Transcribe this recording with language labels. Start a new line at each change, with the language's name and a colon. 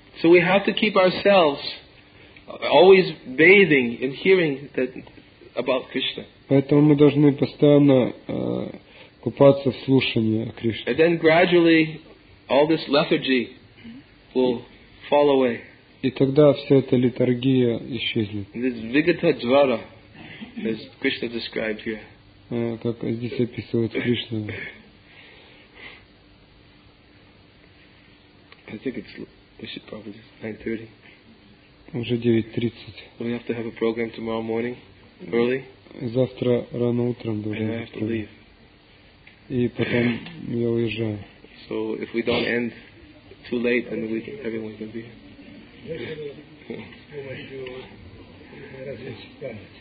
English: So we have to keep ourselves always bathing in hearing that about Krishna.
Russian: Поэтому мы должны постоянно купаться в слушании о Кришне.
English: And then gradually all this lethargy will fall away.
Russian: И тогда вся эта литургия исчезнет.
English: This vigata jvara, as Krishna described here.
Russian: Как здесь описывает Кришна.
English: I think we should probably just 9:30.
Russian: Уже 9:30.
English: We have to have a program tomorrow morning, early.
Russian: Завтра рано утром должен.
English: And I have to leave.
Russian: И потом я уезжаю.
English: So if we don't end too late, then everyone can be here.